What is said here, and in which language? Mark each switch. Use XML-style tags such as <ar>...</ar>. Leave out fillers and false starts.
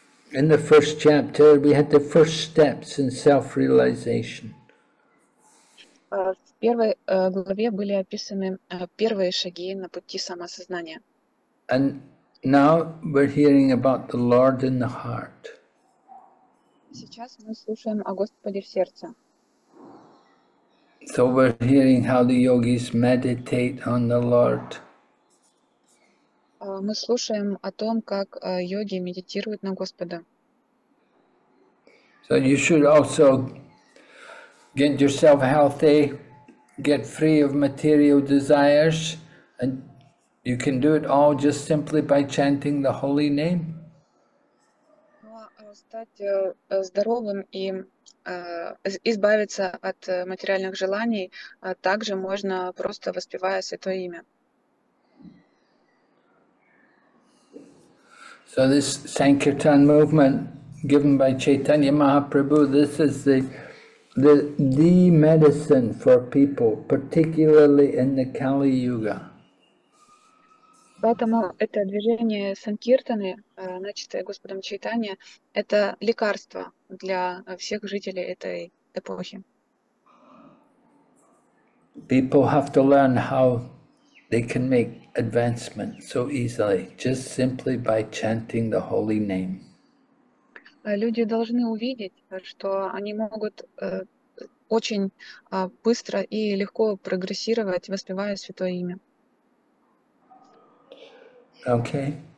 <en>In the first chapter, we had the first steps in self-realization.</en> <ru>В первой главе были описаны первые шаги на пути самосознания.</ru> <en>And now we're hearing about the Lord in the heart.</en> <ru>Сейчас мы слушаем о Господе в сердце.</ru> <en>So we're hearing how the yogis meditate on the Lord.</en> <ru>Мы слушаем о том, как йоги медитируют на Господа.</ru> <en>So you should also get yourself healthy, get free of material desires, and you can do it all just simply by chanting the holy name.</en> <ru>Стать здоровым и избавиться от материальных желаний также можно, просто воспевая Святое Имя.</ru> <en>So this Sankirtan movement given by Chaitanya Mahaprabhu, this is the medicine for people, particularly in the Kali Yuga.</en> <ru>Поэтому это движение Санкиртаны, начатое Господом Чайтанья, это лекарство для всех жителей этой эпохи.</ru> <en>People have to learn how they can make advancement so easily, just simply by chanting the holy name.</en> <ru>Люди должны увидеть, что они могут очень быстро и легко прогрессировать, воспевая Святое Имя.</ru> <en>Okay.</en>